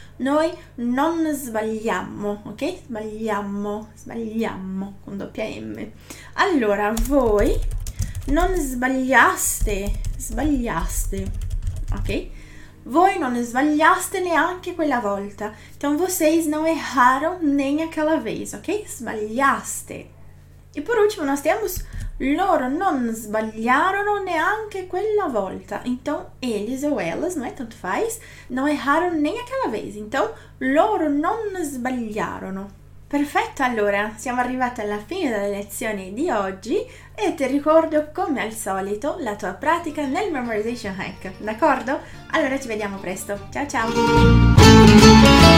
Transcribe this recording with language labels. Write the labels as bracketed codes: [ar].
[it] Noi non sbagliamo, ok? Sbagliamo, sbagliamo, con doppia M. Allora, voi non sbagliaste, sbagliaste, ok? Voi non sbagliaste neanche quella volta. [pt] Então, vocês não erraram nem aquela vez, ok? Sbagliaste. [it] E per ultimo, Nostiamus, loro non sbagliarono neanche quella volta. [pt] Então, eles ou elas, não é? Tanto faz, não erraram nem aquela vez. [it] Então, loro non sbagliarono. Perfetto, allora, siamo arrivati alla fine della lezione di oggi e ti ricordo, come al solito, la tua pratica nel memorization hack, d'accordo? Allora, ci vediamo presto. Ciao ciao!